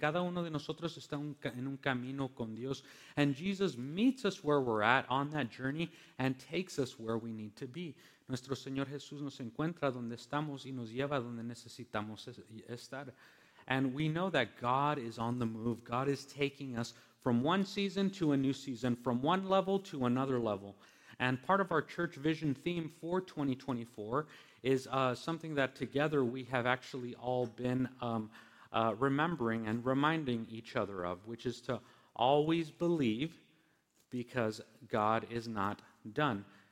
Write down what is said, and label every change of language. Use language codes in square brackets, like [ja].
[en] Cada uno de nosotros está en un camino con Dios. And Jesus meets us where we're at on that journey and takes us where we need to be. [es] Nuestro Señor Jesús nos encuentra donde estamos y nos lleva donde necesitamos estar. [en] And we know that God is on the move. God is taking us from one season to a new season, from one level to another level. And part of our church vision theme for 2024 is something that together we have actually all been remembering and reminding each other of, which is to always believe because God is not done.